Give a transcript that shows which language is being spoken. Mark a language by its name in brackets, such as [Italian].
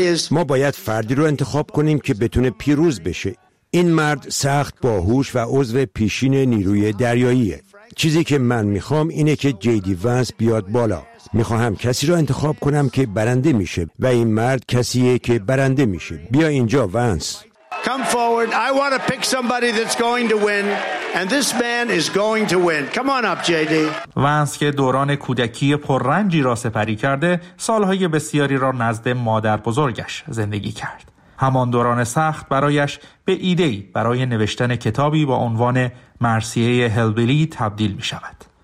[Persian] ما باید فردی رو انتخاب کنیم که بتونه پیروز بشه. این مرد سخت باهوش و عضو پیشین نیروی دریاییه. چیزی که من می خوام اینه که جی دی ونس بیاد بالا. می خواهم کسی رو انتخاب کنم که برنده میشه و این مرد کسیه که برنده میشه. بیا اینجا ونس. [English] Come forward. I want to pick somebody that's going to win, and this man is going to win. Come on up, JD. [Persian] ونس که دوران کودکی پررنجی را سپری کرده، سالهای بسیاری را نزد مادر بزرگش زندگی کرد. همان دوران سخت برایش به ایده‌ای برای نوشتن کتابی با عنوان مرثیه هلبیلی تبدیل می‌شود.